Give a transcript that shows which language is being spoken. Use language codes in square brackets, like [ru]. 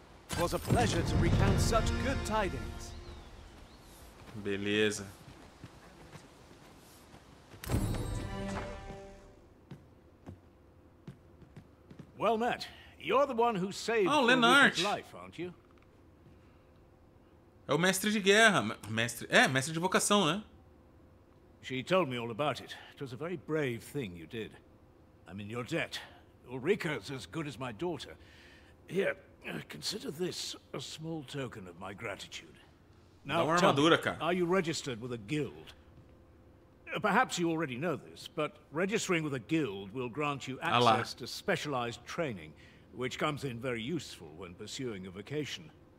[en] It was a pleasure to recount such good tidings. [pt] Beleza. [en] Well met. You're the one who saved Lenart's life, aren't you? [pt] É o mestre de guerra, mestre de vocação, né? [en] She told me all about it. It was a very brave thing you did. I'm in your debt. Ulrika's as good as my daughter. Here, consider this a small token of my gratitude. [pt] Now, dá uma armadura, cara. [en] Are you registered with a guild? Perhaps you already know this, but registering with a guild will grant you access to specialized training, which comes in very useful when pursuing a vocation.